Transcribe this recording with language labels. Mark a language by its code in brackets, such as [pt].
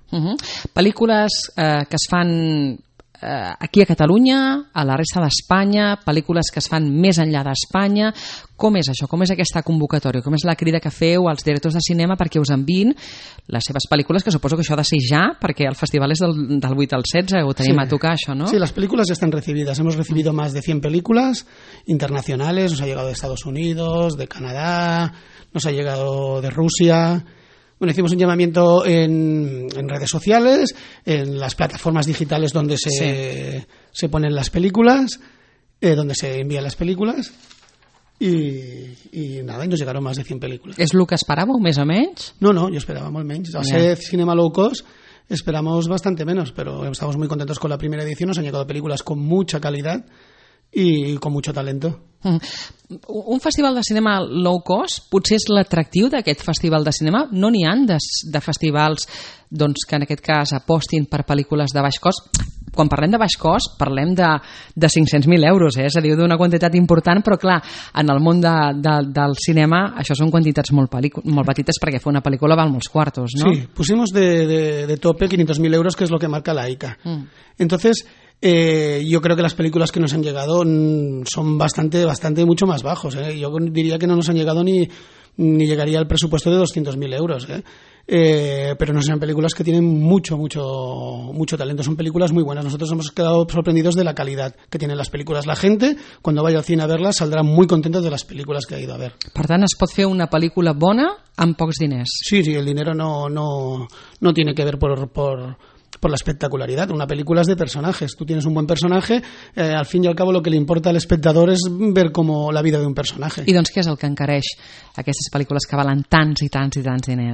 [ca] Pel·lícules que es fan aquí a Catalunya, a la resta d'Espanya, pel·lícules que es fan més enllà d'Espanya. Com és això? Com és aquesta convocatòria? Com és la crida que feu als directors de cinema perquè us envien les seves pel·lícules, que suposo que això ha de ser ja, perquè el festival és del 8 al 16, ho tenim a tocar, això, no? Sí, les pel·lícules ja estan recibides. [es] Hemos recibido más de 100 pel·lícules internacionales, nos ha llegado de Estados Unidos, de Canadá, nos ha llegado de Rusia. Bueno, hicimos un llamamiento en redes sociales, en las plataformas digitales donde se ponen las películas, donde se envían las películas, y nada, y nos llegaron más de 100 películas. ¿Es lo que esperábamos, más o menos? No, yo esperaba muy menos. Al ser cinema low cost, esperamos bastante menos, pero estamos muy contentos con la primera edición, nos han llegado películas con mucha calidad y con mucho talento. [ca] Un festival de cinema low cost potser és l'atractiu d'aquest festival de cinema? No n'hi ha de festivals doncs, que en aquest cas apostin per pel·lícules de baix cost? Quan parlem de baix cost parlem de 500.000 euros, és a dir, d'una quantitat important, però clar, en el món del cinema això són quantitats molt petites perquè fer una pel·lícula val molts quartos, no? [es] Sí, pusimos de tope 500.000 euros, que és el que marca la ICA. Entonces, yo creo que las películas que nos han llegado son bastante mucho más bajos, ¿eh? Yo diría que no nos han llegado ni llegaría al presupuesto de 200.000 euros, ¿eh? Pero no son películas que tienen mucho talento, son películas muy buenas. Nosotros hemos quedado sorprendidos de la calidad que tienen las películas. La gente, cuando vaya al cine a verlas, saldrá muy contenta de las películas que ha ido a ver. [ca] Per tant, es pot fer una pel·lícula bona amb pocs diners. [es] Sí, el dinero no tiene que ver por la espectacularidad. Una película es de personajes. Tú tienes un buen personaje, al fin y al cabo lo que le importa al espectador es ver como la vida de un personaje. ¿Y doncs qué es el que [ca] encareix aquestes pel·lícules que valen tants i tants i tants diners?